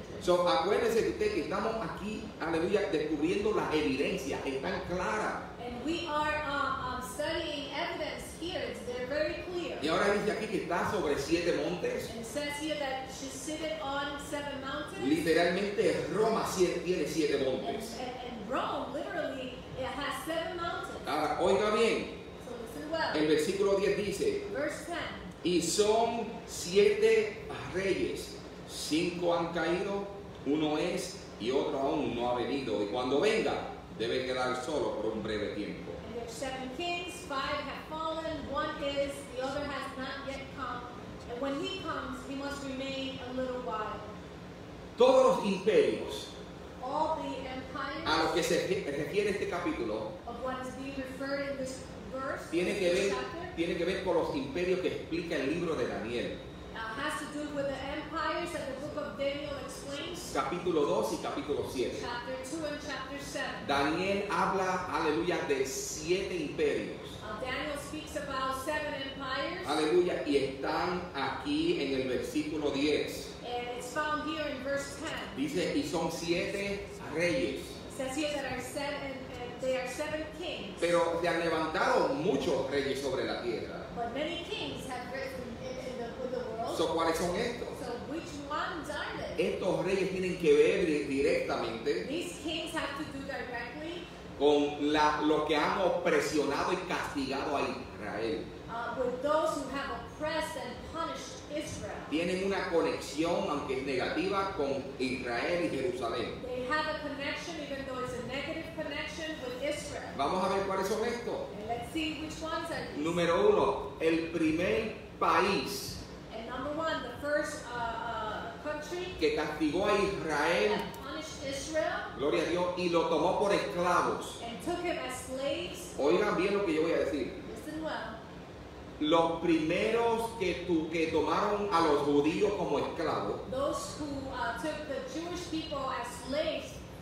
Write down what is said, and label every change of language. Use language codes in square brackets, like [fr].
[es] So, acuérdense de usted que estamos aquí, aleluya, descubriendo las evidencias, están claras. [en] And we are studying evidence here, they're very clear. [es] Y ahora dice aquí que está sobre siete montes. [en] And it says here that she's seated on seven mountains. [es] Literalmente, Roma tiene siete montes. [en] And Rome, literally, it has seven mountains. [es] Ahora, oiga bien. [en] So, listen well. [es] En versículo 10 dice, [en] verse 10. [es] Y son siete reyes, cinco han caído, uno es y otro aún no ha venido, y cuando venga debe quedar solo por un breve tiempo. [en] And there are seven kings, five have fallen, one is, the other has not yet come, and when he comes he must remain a little while. [es] Todos los imperios, [en] all the empires, [es] a los que se refiere este capítulo, [en] of what is being referred in this verse, [es] tiene que ver con los imperios que explica el libro de Daniel. [en] Has to do with the empires that the book of Daniel explains. [es] Capítulo 2 y capítulo 7. [en] Chapter 2 and chapter 7. [es] Daniel habla, aleluya, de siete imperios. [en] Daniel speaks about seven empires. [es] Aleluya, y están aquí en el versículo 10. [en] And it's found here in verse 10. [es] Dice, y son siete reyes. [en] Says here that are seven, they are seven kings. [es] Pero se han levantado muchos reyes sobre la tierra. [en] But many kings have risen. [es] So, ¿cuáles son estos? [en] So, which ones are they? [es] Estos reyes tienen que ver directamente. [en] These kings have to do directly [es] con los que han opresionado y castigado a Israel. [en] With those who have oppressed and punished Israel. [es] Tienen una conexión, aunque es negativa, con Israel y Jerusalén. [en] They have a connection, even though it's a negative connection, with Israel. [es] Vamos a ver cuáles son estos. [en] And let's see which ones are these. [es] Número uno, el primer país. [en] Number one, the first country [es] que castigó a Israel, [en] punished Israel, [es] gloria a Dios, y lo tomó por esclavos. [en] And took him as slaves. [es] Oigan bien lo que yo voy a decir. [en] Listen well. [es] Los primeros que tomaron a los judíos como esclavos. [en] Those who took the Jewish people as slaves.